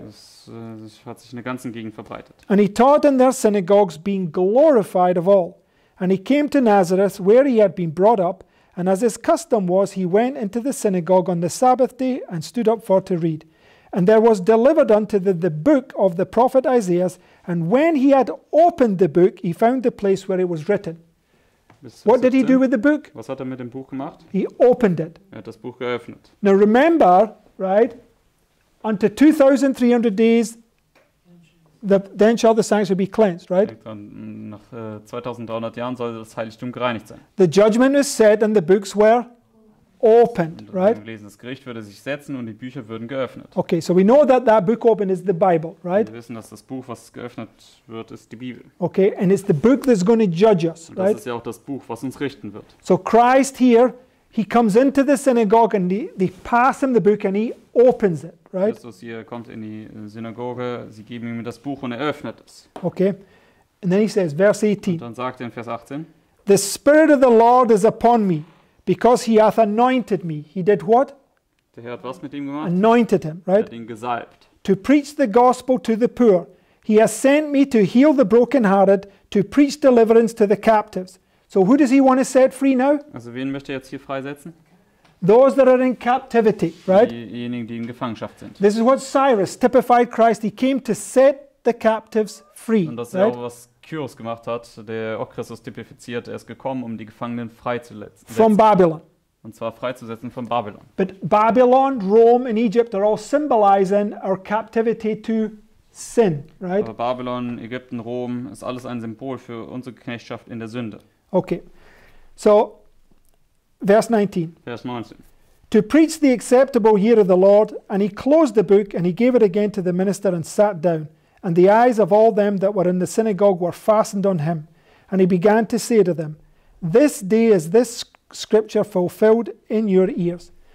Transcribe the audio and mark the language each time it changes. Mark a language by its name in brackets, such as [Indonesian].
[German] Es hat sich in der ganzen Gegend verbreitet. [English] And he taught in their synagogues, being glorified of all. And he came to Nazareth, where he had been brought up, and as his custom was, he went into the synagogue on the Sabbath day and stood up for to read. And there was delivered unto them the book of the prophet Isaiah, and when he had opened the book, he found the place where it was written. What did he do with the book? [German] Was hat er mit dem Buch gemacht? [English] He opened it. [German] Er hat das Buch geöffnet. [English] Now remember, right, unto 2,300 days, then shall the sanctuary be cleansed, right? [German] Nach 2,300 Jahren soll das Heiligtum gereinigt sein. [English] The judgment is set and the books were opened, right? [German] Das Gericht würde sich setzen und die Bücher würden geöffnet. [English] Okay, so we know that that book open is the Bible, right? [German] Wir wissen, dass das Buch, was geöffnet wird, ist die Bibel. [English] Okay, and it's the book that's going to judge us, [German] und [English] right? [German] Das ist ja auch das Buch, was uns richten wird. [English] So Christ here, he comes into the synagogue and they pass him the book and he opens it, right? [German] Christus hier kommt in die Synagoge, sie geben ihm das Buch und er öffnet es. [English] Okay, and then he says, verse 18. [German] Und dann sagt er in Vers 18. [English] The Spirit of the Lord is upon me. Because he hath anointed me. He did what? [German] Der Herr hat was mit ihm gemacht? [English] Anointed him, right? [German] Er hat ihn gesalbt. [English] To preach the gospel to the poor. He has sent me to heal the brokenhearted, to preach deliverance to the captives. So who does he want to set free now? [German] Also wen möchte er jetzt hier freisetzen? [English] Those that are in captivity, right? [German] Diejenigen, die in Gefangenschaft sind. [English] This is what Cyrus typified Christ. He came to set the captives free. [German] Und das [English] right? [German] ist auch was Kyros gemacht hat, der auch Christus typifiziert. Er ist gekommen, um die Gefangenen freizusetzen. [English] From Babylon. [German] Und zwar freizusetzen von Babylon. [English] But Babylon, Rome and Egypt are all symbolizing our captivity to sin, right? [German] Aber Babylon, Ägypten, Rom ist alles ein Symbol für unsere Knechtschaft in der Sünde. [English] Okay. So, verse 19. [German] Vers 19. [English] To preach the acceptable year of the Lord, and he closed the book, and he gave it again to the minister and sat down. And the eyes of all them that were in the synagogue were fastened on him. And he began to say to them, this day is this scripture fulfilled in your ears.